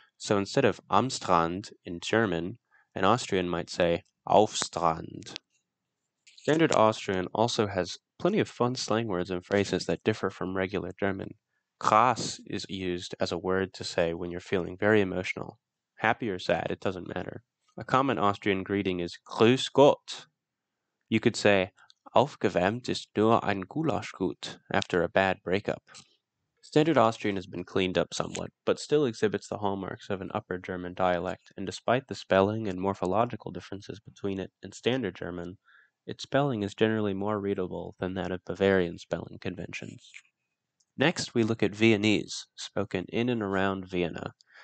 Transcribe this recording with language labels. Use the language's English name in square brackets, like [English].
[English] So instead of [German] am Strand [English] in German, an Austrian might say [German] auf Strand. [English] Standard Austrian also has plenty of fun slang words and phrases that differ from regular German. Krass is used as a word to say when you're feeling very emotional. Happy or sad, it doesn't matter. A common Austrian greeting is [German] Grüß Gott. [English] You could say, [German] Aufgewärmt ist nur ein Gulasch gut, [English] after a bad breakup. Standard Austrian has been cleaned up somewhat, but still exhibits the hallmarks of an Upper German dialect, and despite the spelling and morphological differences between it and Standard German, its spelling is generally more readable than that of Bavarian spelling conventions. Next, we look at Viennese, spoken in and around Vienna.